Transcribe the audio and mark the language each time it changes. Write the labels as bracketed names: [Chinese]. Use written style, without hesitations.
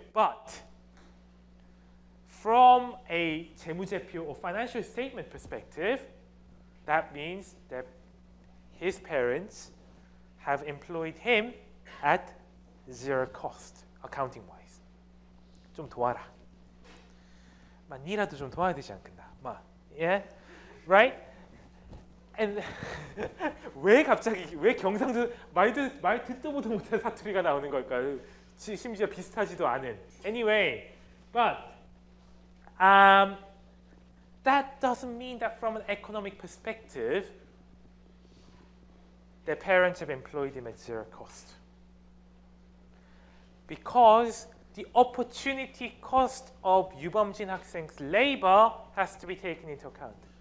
[English] But from a 재무제표 or financial statement perspective, that means that his parents have employed him at zero cost, accounting-wise. [Korean] 좀 도와라. 막 니라도 좀 도와야 되지 않겠나? [English] 막, yeah? Right? [Korean] And 왜 갑자기 왜 경상도 말 듣도 보도 못한 사투리가 나오는 걸까요? 심지어 비슷하지도 않은. [English] Anyway, but that doesn't mean that from an economic perspective, their parents have employed him at zero cost. Because the opportunity cost of Yubomjin Hakseng's labor has to be taken into account.